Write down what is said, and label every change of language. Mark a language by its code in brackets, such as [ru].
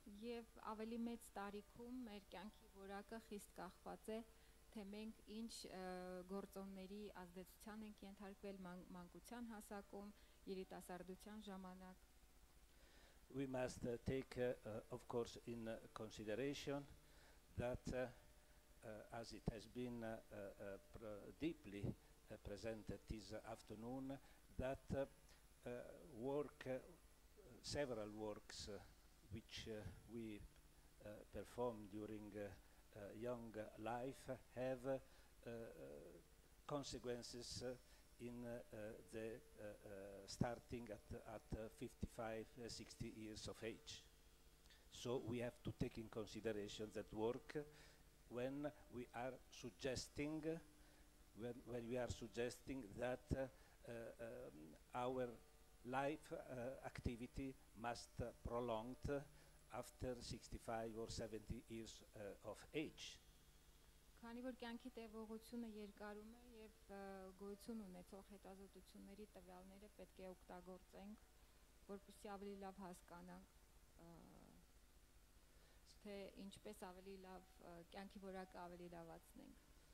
[hy] Եվ ավելի մեծ տարիքում մեր կյանքի որակը խիստ կախված է, թե մենք ինչ գործոնների ազդեցության ենք ենթարկվել մանկության հասակում, երիտասարդության ժամանակ։ [en] we must take, of course, in consideration that, as it has been deeply presented this afternoon, that several works which we perform during young life have consequences in the starting at 55, 60 years of age. So we have to take in consideration that work when we are suggesting, when we are suggesting that our life activity must prolong after 65 or 70 years of age. [hy] Քանի որ կյանքի տևողությունը երկարում է եւ գոյություն ունեցող հետազոտությունների տվյալները պետք է օգտագործենք, որպեսզի ավելի լավ հասկանանք թե ինչպես ավելի լավ կյանքի որակը ավելի լավացնենք.